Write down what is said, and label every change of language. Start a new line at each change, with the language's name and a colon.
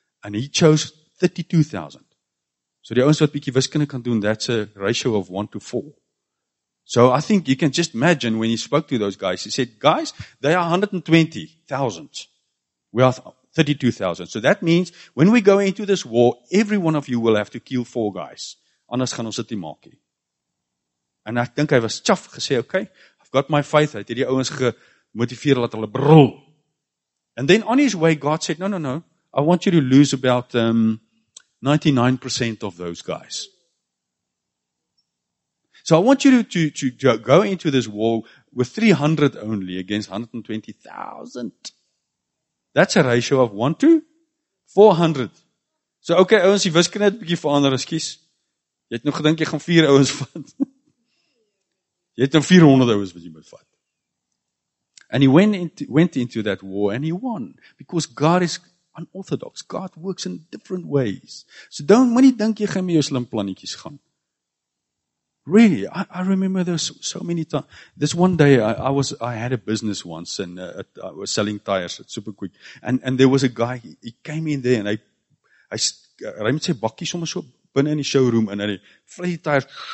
English: And he chose 32,000.
Afrikaans: So die ouens wat bietjie wiskunde kan doen,
English: that's a ratio of 1 to 4. So I think you can just imagine when he spoke to those guys, he said, guys, they are 120,000. We are 32,000. So that means when we go into this war, every one of you will have to kill 4 guys.
Afrikaans: Anders gaan ons dit nie maak nie. En ek dink hy was tjaf gesê,
English: okay, I've got my faith.
Afrikaans: Hy het die ouens gemotiveer dat hulle brul.
English: And then on his way, God said, no, I want you to lose about 99% of those guys. So I want you to go into this war with 300 only against 120,000. That's a ratio of 1 to 400.
Afrikaans: So okay, ouens, die wiskunde het 'n bietjie verander, ekskuus. Jy het nog gedink jy gaan 4 ouens vat. Jy het nou 400 ouens wat jy moet vat.
English: And he went into that war and he won because God is unorthodox. God works in different ways. So don't
Afrikaans: moenie dink jy gaan met jou slim plannetjies gaan.
English: Really, I remember this so many times. This one day I had a business once and I was selling tires at Superquick and there was a guy he came in there and
Afrikaans: hy moet sê bakkie sommer so binne in die showroom en hy vlei die tires.